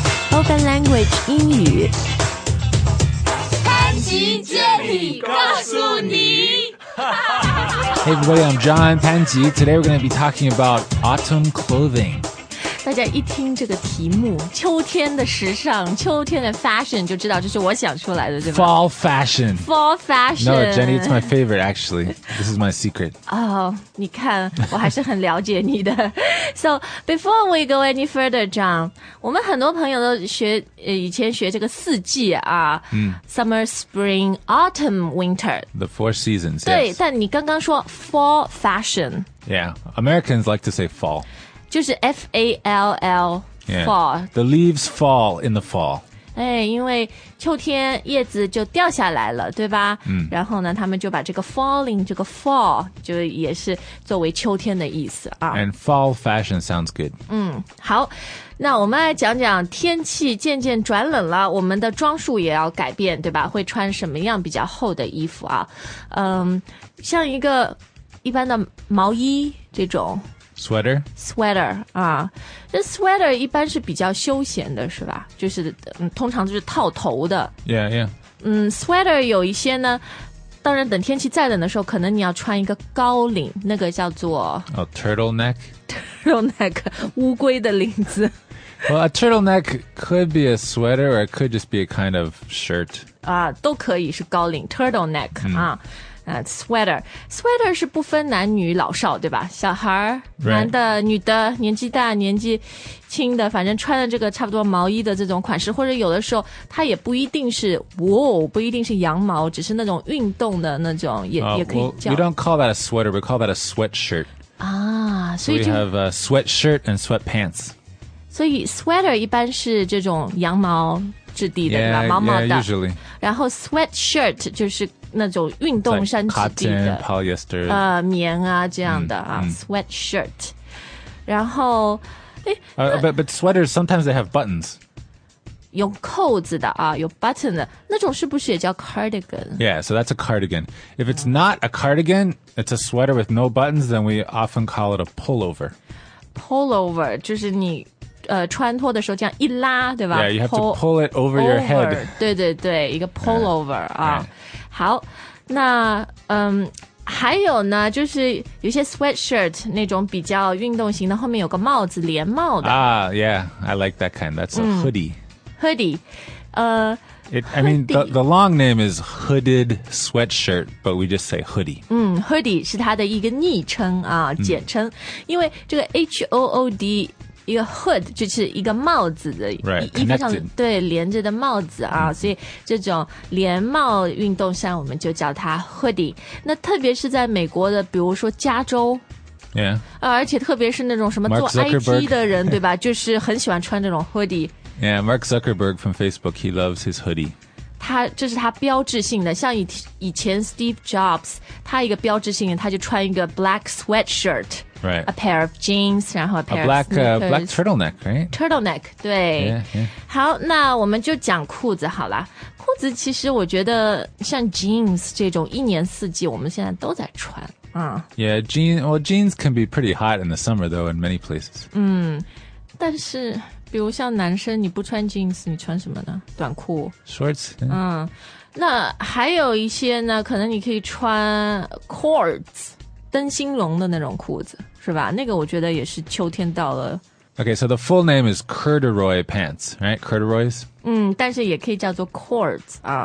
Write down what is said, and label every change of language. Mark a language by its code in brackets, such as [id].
[zh] Open Language 英语，潘吉接力告诉你。 [en] Hey everybody, I'm John Panji. Today we're going to be talking about autumn clothing. [zh] 大家一听这个题目，秋天的时尚，秋天的 fashion 就知道这是我想出来的，对吧？ [en] Fall fashion. Fall fashion. No, Jenny, it's my favorite, actually. This is my secret. [zh] Oh, 你看，我还是很了解你的。 [en] So, before we go any further, John, [zh] 我们很多朋友都学、以前学这个四季啊、 [en] summer, spring, autumn, winter. The four seasons, [zh] 对、 [en] yes. [zh] 但你刚刚说 fall fashion. [en] Yeah, Americans like to say fall. [zh] 就是 F-A-L-L, fall.、 [en] Yeah. The leaves fall in the fall. [zh] 哎，因为秋天叶子就掉下来了，对吧？然后呢，他们就把这个 falling 这个 fall 就也是作为秋天的意思啊。 [en] And fall fashion sounds good. [zh] 好，那我们来讲讲天气渐渐转冷了，我们的装束也要改变，对吧？会穿什么样比较厚的衣服啊？像一个一般的毛衣这种 [en] sweater。 [zh] sweater 啊。这 sweater 一般是比较休闲的是吧，就是、通常就是套头的。 [en] Yeah, yeah. [zh] Sweater 有一些呢，当然等天气再冷的时候可能你要穿一个高领，那个叫做、 [en] turtleneck. [zh] Turtleneck, 乌龟的领子。 [en] Well, a turtleneck could be a sweater or it could just be a kind of shirt. [zh] 啊，都可以是高领 turtleneck,、啊。 [en] Sweater. [zh] Sweater 是不分男女老少对吧，小孩、男的女的，年纪大年纪轻的，反正穿的这个差不多毛衣的这种款式，或者有的时候它也不一定是不一定是羊毛，只是那种运动的那种 也可以叫。 [en] We don't call that a sweater, we call that a sweatshirt. So we have a sweatshirt and sweatpants. [zh] 所以 sweater 一般是这种羊毛质地的 [en] usually. [zh] 然后 sweatshirt 就是那种运动衫质地的、 [en] like、cotton, polyester, [zh] 棉啊这样的啊、sweatshirt 然后 [en] but sweaters sometimes they have buttons [zh] 有扣子的啊，有 button 的那种是不是也叫 cardigan? [en] Yeah, so that's a cardigan. If it's not a cardigan, it's a sweater with no buttons, then we often call it a pullover. [zh] Pullover 就是你穿脱的时候这样一拉对吧。 [en] Yeah, you have to pull it over your head. [zh] 对对对，一个 pullover、好，那还有呢，就是有些 sweatshirt 那种比较运动型的，后面有个帽子，连帽的。 [en] Yeah, I like that kind. That's a hoodie. Hoodie. I mean, the long name is hooded sweatshirt, but we just say hoodie. [zh] Hoodie 是它的一个昵称啊，简称。因为这个 H-O-O-D, 一个 hood 就是一个帽子的。 [en] Right, connected. [zh] 对，连着的帽子啊。所以这种连帽运动衫我们就叫它 hoodie。那特别是在美国的，比如说加州。 [en] Yeah. [zh] 而且特别是那种什么做 IT 的人，对吧，就是很喜欢穿这种 hoodie。 [en] Yeah, Mark Zuckerberg from Facebook, he loves his hoodie. [zh] 他这是他标志性的，像以前 Steve Jobs, 他一个标志性的，他就穿一个 black sweatshirt, [en] right? A pair of jeans, [zh] 然后 [en] a black sneakers,、 black turtleneck, right? [zh] Turtleneck, 对。 [en] Yeah, [zh] yeah. 好，那我们就讲裤子好了。裤子其实我觉得像 jeans 这种一年四季我们现在都在穿。 [en] Yeah, jeans can be pretty hot in the summer though in many places. [zh] 但是比如像男生你不穿 jeans 你穿什么呢，短裤 [en] shorts、 [zh] 那还有一些呢可能你可以穿 cords 灯芯绒的那种裤子是吧，那个我觉得也是秋天到了。 [en] OK, so the full name is corduroy pants, right? Corduroys? [zh] 但是也可以叫做 cords、